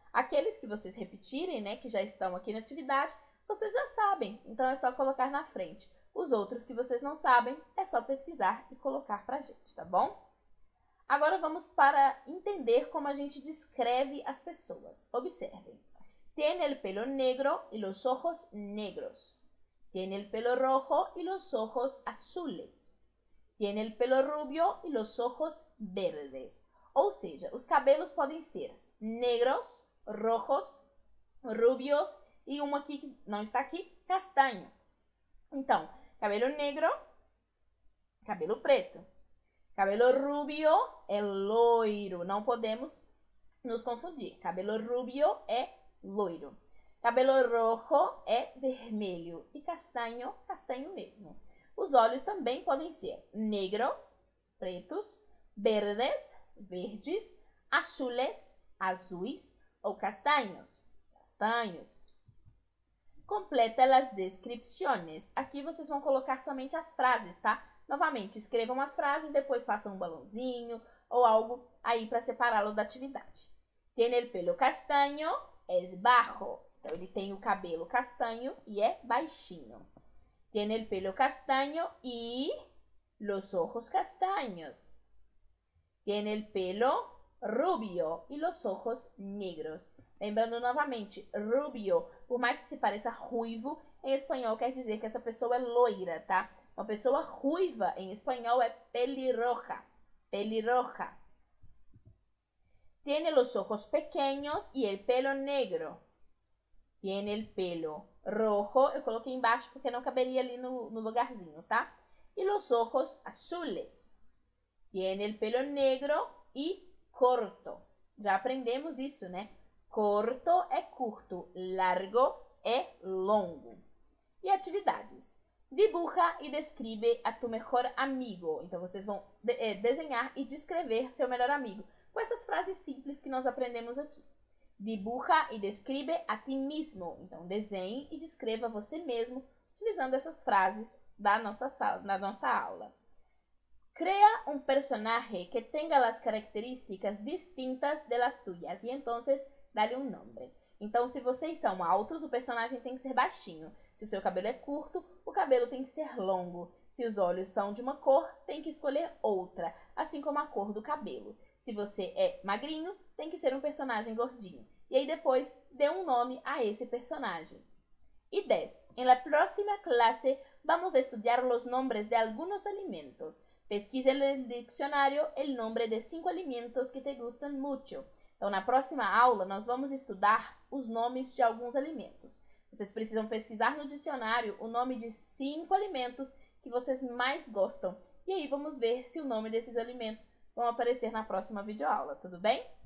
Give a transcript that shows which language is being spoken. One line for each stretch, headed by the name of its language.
Portuguese: Aqueles que vocês repetirem, né, que já estão aqui na atividade, vocês já sabem. Então é só colocar na frente. Os outros que vocês não sabem, é só pesquisar e colocar para a gente, tá bom? Agora vamos para entender como a gente descreve as pessoas. Observem.
Spanish: Tiene el pelo negro y los ojos negros. Tiene el pelo rojo y los ojos azules. Tiene el pelo rubio y los ojos verdes.
Portuguese: Ou seja, os cabelos podem ser negros, rojos, rubios e uma aqui que não está aqui, castanho. Então, cabelo negro, cabelo preto. Cabelo rubio é loiro. Não podemos nos confundir. Cabelo rubio é loiro. Cabelo rojo é vermelho. E castanho, castanho mesmo. Os olhos também podem ser negros, pretos, verdes, verdes, azules, azuis ou castanhos. Castanhos. Completa as descrições. Aqui vocês vão colocar somente as frases, tá? Novamente, escrevam as frases, depois façam um balãozinho ou algo aí para separá-lo da atividade.
Spanish: Tiene el pelo castaño, es bajo.
Portuguese: Então, ele tem o cabelo castanho e é baixinho.
Spanish: Tiene el pelo castaño y los ojos castaños. Tiene el pelo rubio y los ojos negros.
Portuguese: Lembrando novamente, rubio, por mais que se pareça ruivo, em espanhol quer dizer que essa pessoa é loira, tá? Uma pessoa ruiva em espanhol é pelirroja.
Spanish: Pelirroja. Tiene los ojos pequeños y el pelo negro. Tiene el pelo rojo.
Portuguese: Eu coloquei embaixo porque não caberia ali no lugarzinho, tá?
Spanish: E los ojos azules. Tiene el pelo negro y corto.
Portuguese: Já aprendemos isso, né? Corto é curto, largo é longo. E atividades.
Spanish: Dibuja e descreve a tu mejor amigo.
Portuguese: Então, vocês vão desenhar e descrever seu melhor amigo com essas frases simples que nós aprendemos aqui.
Spanish: Dibuja e descreve a ti mesmo.
Portuguese: Então, desenhe e descreva você mesmo utilizando essas frases da nossa sala, na nossa aula. Crea um personagem que tenha as características distintas
Spanish: de las tuyas.
Portuguese: E então, dá-lhe um nome. Então, se vocês são altos, o personagem tem que ser baixinho. Se o seu cabelo é curto, o cabelo tem que ser longo. Se os olhos são de uma cor, tem que escolher outra, assim como a cor do cabelo. Se você é magrinho, tem que ser um personagem gordinho. E aí depois, dê um nome a esse personagem. E 10.
Spanish: En la próxima clase, vamos a estudiar los nombres de algunos alimentos. Pesquise en el diccionario el nombre de cinco alimentos que te gustan mucho.
Portuguese: Então, na próxima aula, nós vamos estudar os nomes de alguns alimentos. Vocês precisam pesquisar no dicionário o nome de cinco alimentos que vocês mais gostam. E aí, vamos ver se o nome desses alimentos vão aparecer na próxima videoaula, tudo bem?